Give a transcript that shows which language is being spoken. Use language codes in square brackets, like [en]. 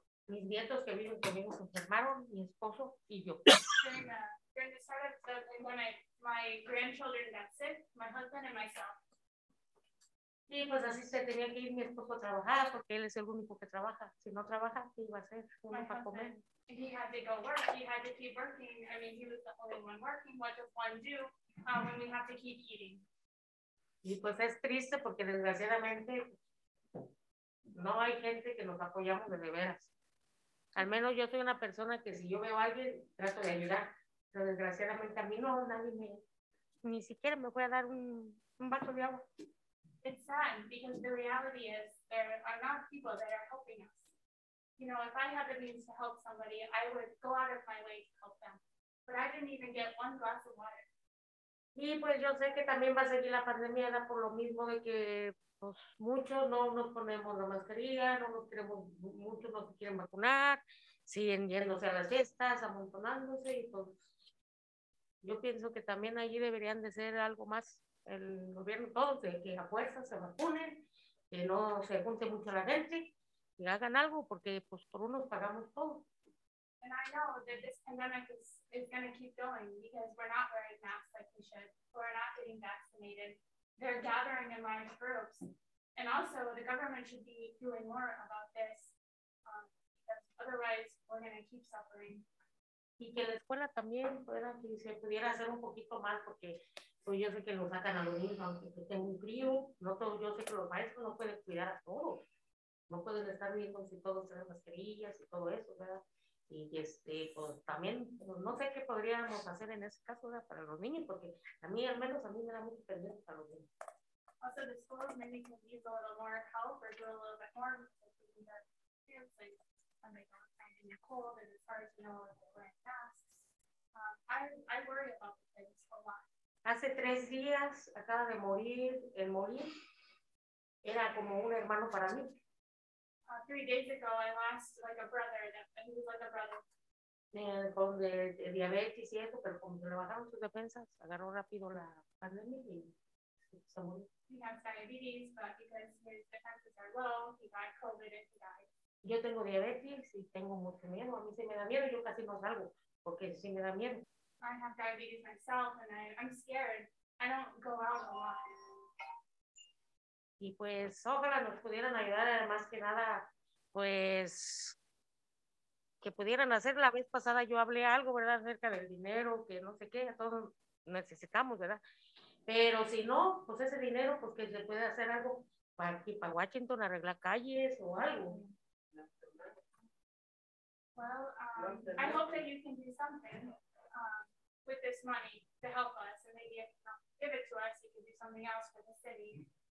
[es] Mis nietos que viven conmigo se enfermaron, mi esposo y yo. [en] During the start of the my grandchildren got sick, my husband and myself. [es] Sí, pues así se tenía que ir mi esposo a trabajar porque él es el único que trabaja. Si no trabaja, ¿qué iba a hacer? Uno para comer. [en] He had to go work. He had to keep working. I mean, he was the only one working. What does one do when we have to keep eating? [es] Y pues es triste porque desgraciadamente no hay gente que nos apoyamos de veras. Al menos yo soy una persona que si yo veo a alguien, trato de ayudar. Pero desgraciadamente a mí no, nadie me... Ni siquiera me voy a dar un vaso de agua. [en] It's sad because the reality is there are not people that are helping us. You know, if I had the means to help somebody, I would go out of my way to help them. But I didn't even get one glass of water. [es] Y pues yo sé que también va a seguir la pandemia, ¿no? Por lo mismo de que pues, muchos no nos ponemos la mascarilla, no nos queremos, muchos no se quieren vacunar, siguen yéndose a las fiestas, amontonándose y pues yo pienso que también allí deberían de ser algo más el gobierno, todos, de que a fuerza se vacunen, que no se junte mucho la gente y hagan algo porque pues por unos pagamos todo. [en] And I know that this pandemic is going to keep going because we're not wearing masks like we should. We're not getting vaccinated. They're gathering in large groups. And also, the government should be doing more about this. Because otherwise, we're going to keep suffering. [es] Y que la escuela también pueda, que se pudiera hacer un poquito más porque pues yo sé que lo sacan a los niños, aunque tengo un crío. No todo, yo sé que los maestros no pueden cuidar a todos. No pueden estar viendo si todos traen mascarillas y todo eso, ¿verdad? Y este, pues también, pues, no sé qué podríamos hacer en ese caso, ¿verdad? Para los niños, porque a mí, al menos, a mí me da mucho pendiente para los niños. [en] Also, the schools maybe can use a little more help or do a little bit more because we need our kids, like, when they don't find any cold and it's hard to know if they're wearing masks. I worry about the kids a lot. [es] Hace tres días acaba de morir, el morir era como un hermano para mí. [en] 3 days ago, I lost like a brother, and he was like a brother. Yeah, from the diabetes, yes, but from the defenses, he has diabetes, but because his defenses are low, he got COVID and he died. [es] Yo tengo diabetes y tengo mucho miedo. A mí se me da miedo. Yo casi no salgo porque sí me da miedo. [en] I have diabetes myself, and I'm scared. I don't go out a lot. [es] Y pues ojalá nos pudieran ayudar, más que nada, pues, que pudieran hacer. La vez pasada yo hablé algo, ¿verdad?, acerca del dinero, que no sé qué, todos necesitamos, ¿verdad? Pero si no, pues ese dinero, pues que se puede hacer algo para aquí, para Washington, arreglar calles o algo. [en] Well, I hope that you can do something with this money to help us, and maybe if you don't give it to us, you can do something else for the city.